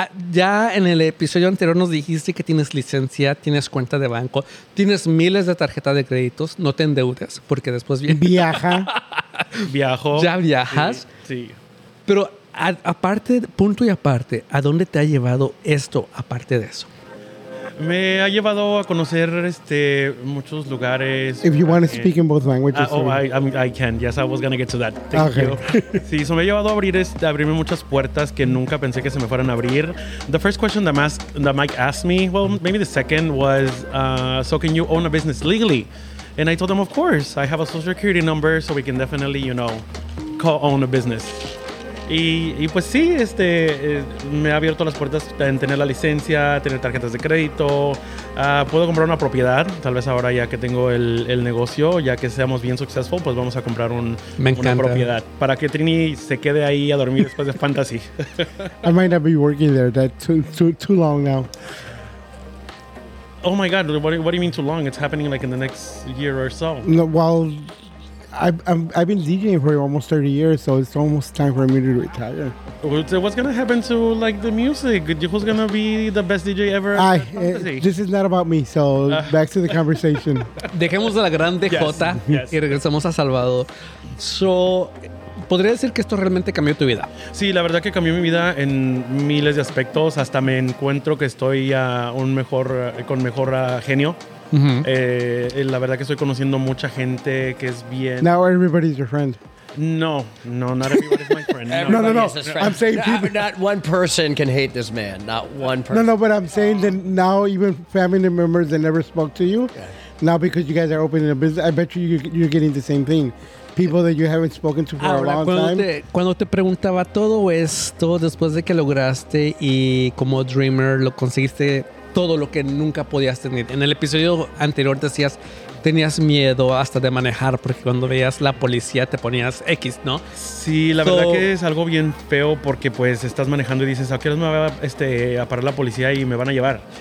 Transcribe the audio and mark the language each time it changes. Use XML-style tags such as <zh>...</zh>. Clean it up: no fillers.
<es>Ya en el episodio anterior nos dijiste que tienes licencia, tienes cuenta de banco, tienes miles de tarjetas de créditos, no te endeudes porque después viene. Viaja. Viajo. Ya viajas. Sí. Pero aparte, punto y aparte, ¿a dónde te ha llevado esto aparte de eso? Me ha llevado a conocer muchos lugares.</es> <en>If you want to speak in both languages. I can. Yes, I was going to get to that. Thank you.</en> <es>Sí, eso me ha llevado a abrirme muchas puertas que nunca pensé que se me fueran a abrir.</es> <en>The first question that Mike asked me, well, maybe the second was, so can you own a business legally? And I told him, of course, I have a social security number, so we can definitely, co-own a business.</en> <es>Y pues sí, me ha abierto las puertas en tener la licencia, tener tarjetas de crédito. Puedo comprar una propiedad, tal vez ahora ya que tengo el negocio, ya que seamos bien</es> <en>successful,</en> <es>pues vamos a comprar una propiedad. Para que Trini se quede ahí a dormir después de Fantasy.</es> <en>I might not be working there, that's too long now. Oh my God, what do you mean too long? It's happening like in the next year or so. No, well... I've been DJing for almost 30 years, so it's almost time for me to retire. What's going to happen to, the music? Who's going to be the best DJ ever? This is not about me, so back to the conversation.</en> <es>Dejemos a la grande Jota y regresamos a Salvador. So, ¿podría decir que esto realmente cambió tu vida? Sí, la verdad que cambió mi vida en miles de aspectos. Hasta me encuentro que estoy con mejor genio. Uh-huh. La verdad que estoy conociendo mucha gente que es bien.</es> <en>Now everybody's your friend. No, not everybody's my friend. No. I'm saying people. Not one person can hate this man. Not one person. No, but I'm saying that now even family members that never spoke to you, now because you guys are opening a business, I bet you're getting the same thing. People that you haven't spoken to for a long time.</en> <es>Cuando te preguntaba todo esto después de que lograste y como dreamer lo conseguiste. Todo lo que nunca podías tener. En el episodio anterior decías, tenías miedo hasta de manejar, porque cuando veías la policía te ponías X, ¿no? Sí, la verdad que es algo bien feo porque pues estás manejando y dices, ¿a qué hora me va a parar la policía y me van a llevar?</es>